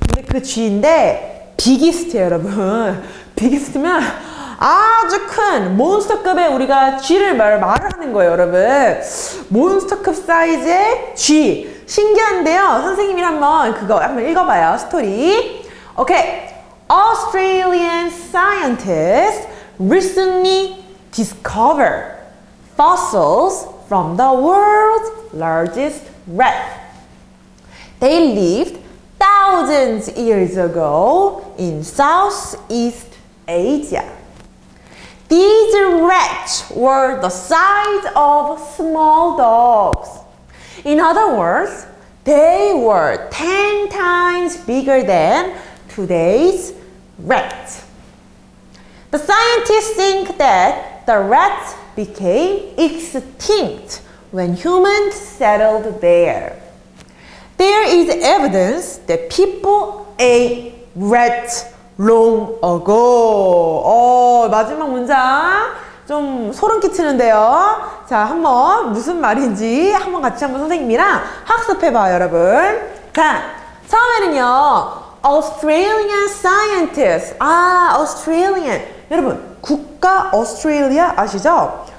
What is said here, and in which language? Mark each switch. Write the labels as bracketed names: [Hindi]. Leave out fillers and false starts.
[Korean] 근데 그 쥐인데 비기스트예요 여러분. 비기스트면 아주 큰 몬스터급의 우리가 쥐를 말하는 거예요 여러분. 몬스터급 사이즈의 쥐. 신기한데요 선생님이 한번 그거 한번 읽어봐요 스토리. 오케이. [English] Australian scientists recently discovered fossils from the world's largest rat. They lived thousands of years ago in Southeast Asia. These rats were the size of small dogs. In other words, they were 10 times bigger than today's rat. The scientists think that the rat became extinct when humans settled there. There is evidence that people ate rat long ago. [Korean] 어, 마지막 문장 좀 소름 끼치는데요. 자, 한번 무슨 말인지 한번 같이 한번 선생님이랑 학습해봐요, 여러분. 자, 처음에는요. Australian scientists. 아, Australian. 여러분, 국가 Australia 아시죠?